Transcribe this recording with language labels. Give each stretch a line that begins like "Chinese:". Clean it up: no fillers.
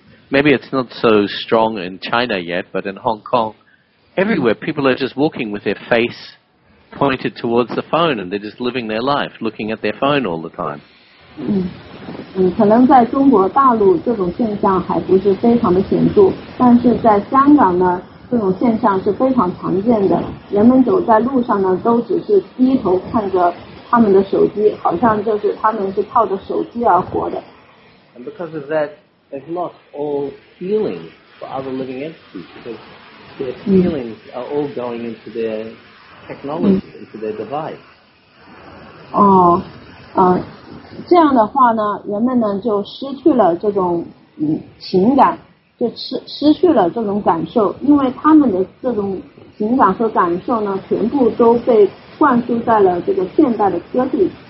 English: Maybe it's not so strong in China yet, but in Hong Kong, everywhere people are just walking with their face. Pointed towards the phone, and they're just living their life, looking at their phone all the time.
Chinese: 可能在中国大陆这种现象还不是非常的显著，但是在香港呢，这种现象是非常常见的。人们走在路上呢，都只是低头看着他们的手机，好像就是他们是靠着手机而活的。
English: And because of that, they've lost all feeling for other living entities because their feelings are all going into their technology into their device.
Chinese: 这样的话呢，人们呢就失去了这种情感，就失去了这种感受，因为他们的这种情感和感受呢，全部都被灌输在了这个现代的科技